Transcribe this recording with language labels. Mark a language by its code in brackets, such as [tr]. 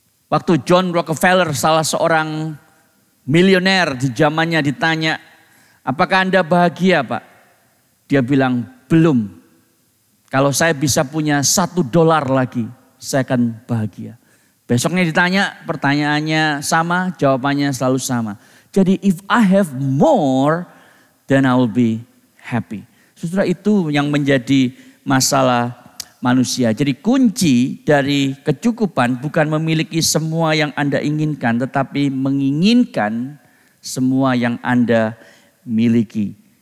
[id] Waktu John Rockefeller, salah seorang milioner di zamannya, ditanya, "Apakah Anda bahagia, Pak?" Dia bilang, "Belum. Kalau saya bisa punya $1 lagi, saya akan bahagia." Besoknya ditanya, pertanyaannya sama, jawabannya selalu sama. Jadi, [en] if I have more, then I will be happy. [id] Saudara, itu yang menjadi masalah manusia. Jadi kunci dari kecukupan bukan memiliki semua yang Anda inginkan, tetapi menginginkan semua yang Anda miliki.